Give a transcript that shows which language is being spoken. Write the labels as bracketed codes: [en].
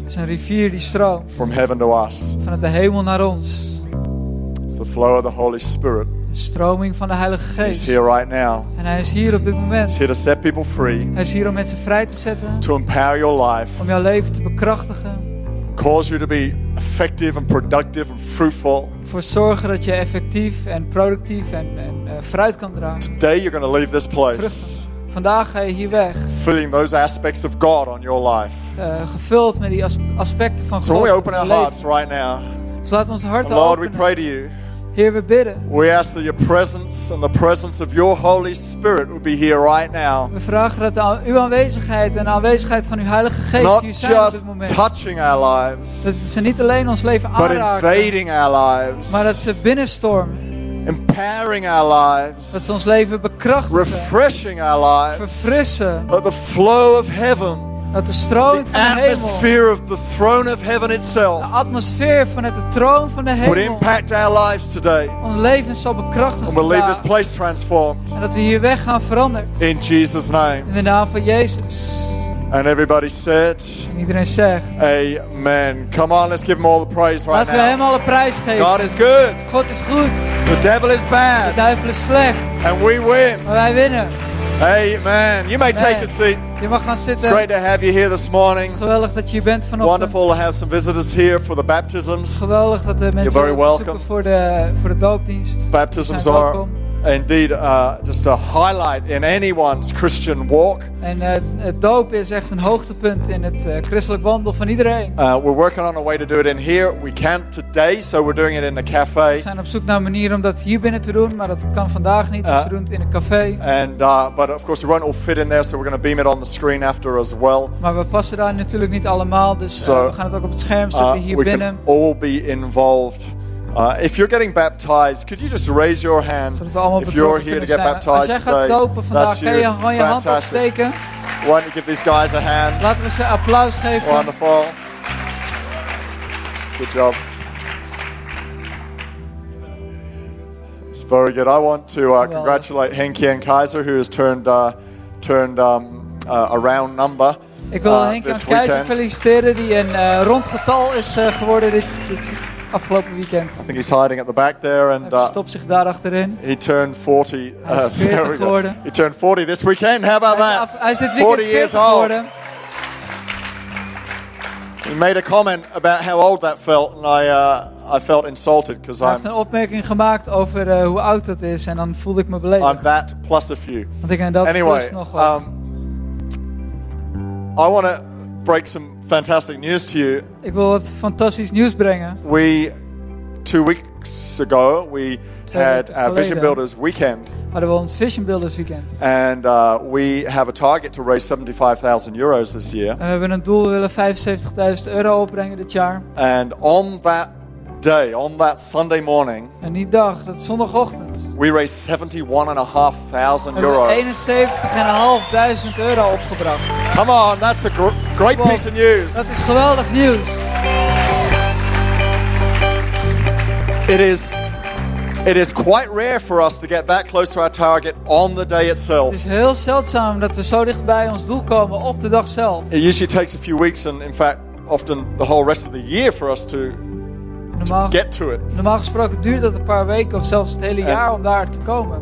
[nl] Er is een rivier die stroomt. [en] From heaven to us. [nl] Vanuit de hemel naar ons. [en] It's the flow of the Holy Spirit. [nl] De stroming van de Heilige Geest. [en] He's here right now. [nl] En hij is hier op dit moment. [en] He's here to set people free. [nl] Hij is hier om mensen vrij te zetten. [en] To empower your life. [nl] Om jouw leven te bekrachtigen. [en] Cause you to be effective and productive and fruitful. [nl] Voor zorgen dat je effectief en productief en fruit kan dragen. [en] Today you're going to leave this place. [nl] Vandaag ga je hier weg. [en] Filling those aspects of God on your life. [nl] Gevuld met die aspecten van God. [en] So we open our hearts right now. [nl] Dus laten onze harten openen. [en] Lord, we pray to you. [nl] Heer, we bidden. [en] We ask that your presence and the presence of your Holy Spirit would be here right now. [nl] We vragen dat uw aanwezigheid en de aanwezigheid van uw Heilige Geest [en] not [nl] hier zijn op dit moment. [en] Touching our lives, [nl] dat ze niet alleen ons leven aanraken, [en] but invading our lives, [nl] maar dat ze binnenstormen. [en] Empowering our lives. [nl] Dat ze ons leven bekrachtigen. [en] Refreshing our lives. [nl] Verfrissen. [en] That the flow of heaven. [nl] Dat de stroming van de hemel. [en] The atmosphere of the throne of heaven itself. [nl] De atmosfeer vanuit de troon van de hemel. [en] Would impact our lives today. [nl] Ons leven zal bekrachtigen. [en] And we'll leave this place transformed. [nl] En dat we hier weg gaan veranderd. [en] In Jesus' name. [nl] In de naam van Jezus. [en] And everybody said. [nl] En iedereen zegt. [en] Amen. Come on, let's give him all the praise right now. [nl] Laten we hem alle prijs geven. [en] God is good. [nl] God is goed. [en] The devil is bad. [nl] De duivel is slecht. [en] And we win. [nl] Maar wij winnen. [en] Amen. You may take a seat. [nl] Je mag gaan zitten. [en] It's great to have you here this morning. [nl] Het is geweldig dat je bent vanochtend. [en] Wonderful to have some visitors here for the baptisms. [nl] Het is geweldig dat de mensen [en] You're very welcome. [nl] voor de doopdienst. [en] Baptisms are indeed just a highlight in anyone's Christian walk. [nl] En het doop is echt een hoogtepunt in het christelijk wandel van iedereen. [en] We're working on a way to do it in here. We can't today, so we're doing it in the cafe. [nl] We zijn op zoek naar een manier om dat hier binnen te doen, maar dat kan vandaag niet. Dus we doen het in een café. [en] But of course we won't all fit in there, so we're going to beam it on the screen after as well. [nl] Maar we passen daar natuurlijk niet allemaal, dus we gaan het ook op het scherm zetten hier [en] we [nl] binnen. [en] We can all be involved. If you're getting baptized, could you just raise your hand if you're here to get baptized today? That's you. Fantastic. Why don't you give these guys a hand? [nl] Laten we ze applaus geven. [en] Wonderful. Good job. It's very good. I want to congratulate Henkie and Kaiser, who has turned a round number. [nl] Ik wil Henkie en Kaiser feliciteren die een rond getal is geworden dit afgelopen weekend. [en] I think he's hiding at the back there and [nl] stopt zich daar achterin. [en] He turned 40. [nl] Hij is 40 geworden. [en] He turned 40 this weekend. How about that? [nl] Hij is dit weekend 40 [en] years old. He made a comment about how old that felt and I felt insulted because [nl] hij heeft een opmerking gemaakt over hoe oud dat is en dan voelde ik me beledigd. [en] I'm that plus a few. [nl] Want ik ben dat plus nog wat. [en] Anyway, I want to break some fantastic news to you. [nl] Ik wil wat fantastisch nieuws brengen. [en] We 2 weeks ago we had our Vision Builders weekend. [nl] Hadden we ons Vision Builders weekend. [en] And we have a target to raise 75,000 euros this year. [nl] En we hebben een doel, we willen 75.000 euro opbrengen dit jaar. [en] And on that day, on that Sunday morning. [nl] En die dag, dat zondagochtend. [en] We raised 71,500 euros. [nl] 71,500 euro opgebracht. [en] Come on, that's a great piece of news. [nl] Dat is geweldig nieuws. [en] It is quite rare for us to get that close to our target on the day itself. [nl] Het is heel zeldzaam dat we zo dichtbij ons doel komen op de dag zelf. [en] It usually takes a few weeks and in fact often the whole rest of the year for us to get to it. [nl] Normaal gesproken duurt dat een paar weken of zelfs het hele jaar om daar te komen.